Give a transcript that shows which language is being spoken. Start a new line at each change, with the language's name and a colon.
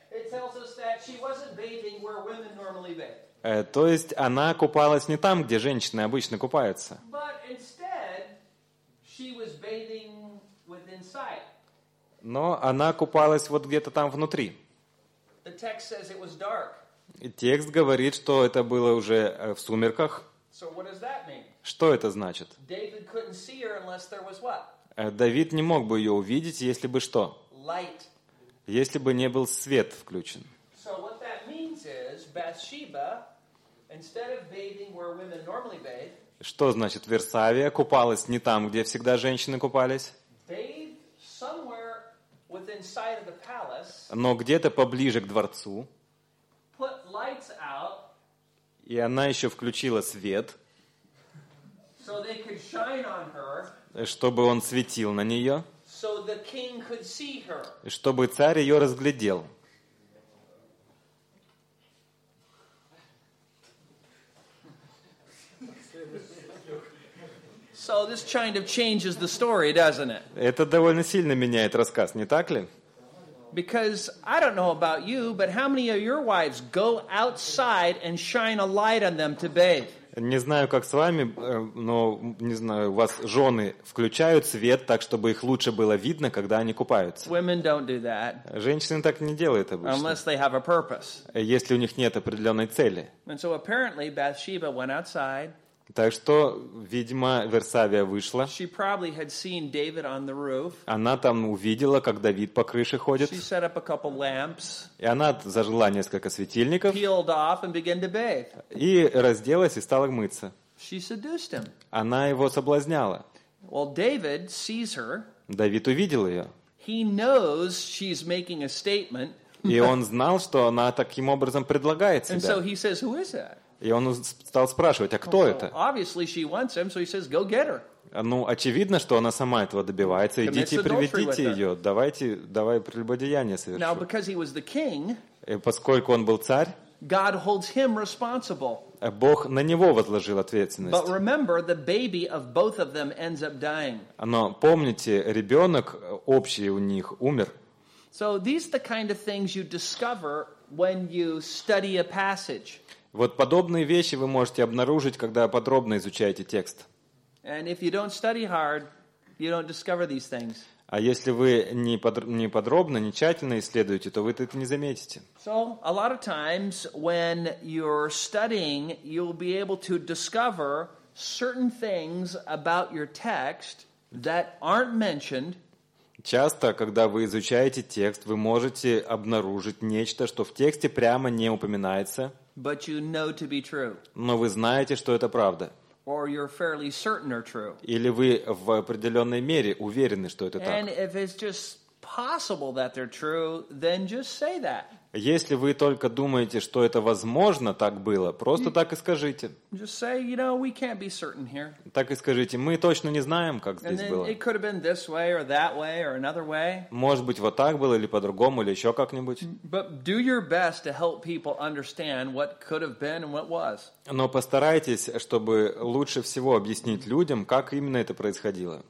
English: It tells us that she wasn't bathing where women normally bathe.
Russian: То есть она купалась не там, где женщины обычно купаются.
English: But instead, she was bathing within sight.
Russian: Но она купалась вот где-то там внутри.
English: The text says it was dark.
Russian: И текст говорит, что это было уже в сумерках.
English: So what does that mean?
Russian: Что это значит?
English: David couldn't see her unless there was what?
Russian: Давид не мог бы ее увидеть, если бы что?
English: Light.
Russian: Если бы не был свет включен.
English: So what that means is, Bathsheba, instead of bathing where women normally bathe,
Russian: что значит Версавия купалась не там, где всегда женщины купались?
English: Bathed somewhere within sight of the palace,
Russian: но где-то поближе к дворцу.
English: Put lights out,
Russian: и она еще включила свет.
English: So they could shine on her,
Russian: чтобы он светил на нее,
English: so the king could see her.
Russian: Чтобы царь ее разглядел.
English: So, So this kind of changes the story, doesn't it?
Russian: Это довольно сильно меняет рассказ, не так ли?
English: Because I don't know about you, but how many of your wives go outside and shine a light on them to bathe?
Russian: Не знаю, как с вами, но не знаю, у вас жены включают свет так, чтобы их лучше было видно, когда они купаются.
English: Women don't do that.
Russian: Женщины так не делают обычно.
English: Unless they have a purpose.
Russian: Если у них нет определенной цели.
English: And so apparently Bathsheba went outside.
Russian: Так что, видимо, Версавия вышла.
English: She probably had seen David on the roof.
Russian: Она там увидела, как Давид по крыше ходит.
English: She set up a couple lamps.
Russian: И она зажгла несколько светильников.
English: Peeled off and began to bathe.
Russian: И разделась и стала мыться.
English: She seduced him.
Russian: Она его соблазняла.
English: Well, David sees her.
Russian: Давид увидел ее.
English: He knows she's making a statement.
Russian: И он знал, что она таким образом предлагает себя.
English: And so he says, "Who is that?"
Russian: И он стал спрашивать, а кто это?
English: Obviously she wants him, so he says, "Go get her."
Russian: Ну, очевидно, что она сама этого добивается. Идите, приведите ее. Давай прелюбодеяние совершу.
English: Now, because he was the king,
Russian: и поскольку он был царь,
English: God holds him responsible.
Russian: Бог на него возложил ответственность.
English: But remember, the baby of both of them ends up dying.
Russian: Но помните, ребенок общий у них умер.
English: So these are the kind of things you discover when you study a passage.
Russian: Вот подобные вещи вы можете обнаружить, когда подробно изучаете текст.
English: And if you don't study hard, you don't discover these things.
Russian: А если вы не подробно, не тщательно исследуете, то вы это не заметите.
English: So, a lot of times when you're studying, you'll be able to discover certain things about your text that aren't mentioned.
Russian: Часто, когда вы изучаете текст, вы можете обнаружить нечто, что в тексте прямо не упоминается.
English: But you know to be true.
Russian: Но вы знаете, что это правда.
English: Or you're fairly certain or true.
Russian: Или вы в определенной мере уверены, что это так.
English: And if it's just possible that they're true, then just say that.
Russian: Если вы только думаете, что это возможно так было, просто так и скажите.
English: Just say, you know, we can't be certain here.
Russian: Так и скажите, мы точно не знаем, как
English: and
Russian: здесь
English: then
Russian: было.
English: It could have been this way or that way or another way.
Russian: Может быть, вот так было или по-другому или еще как-нибудь.
English: But do your best to help people understand what could have been and what was.
Russian: Но постарайтесь, чтобы лучше всего объяснить людям, как именно это происходило.